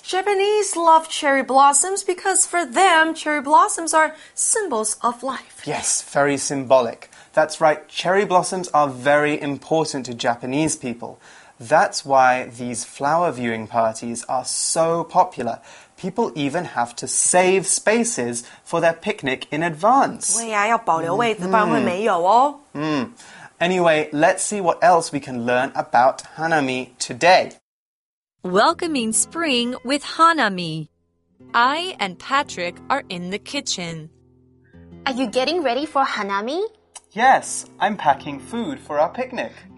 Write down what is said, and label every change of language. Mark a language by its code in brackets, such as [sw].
[en] Japanese love cherry blossoms because for them, cherry blossoms are symbols of life. Yes, very symbolic. That's right, cherry blossoms are very important to Japanese people. That's why these flower viewing parties are so popular. People even have to save spaces for their picnic in advance. [zh] 对呀，要保留位置，不然会没有哦。 [en] Anyway, let's see what else we can learn about Hanami today. Welcoming spring with Hanami. I and Patrick are in the kitchen. Are you getting ready for Hanami? Yes, I'm packing food for our picnic.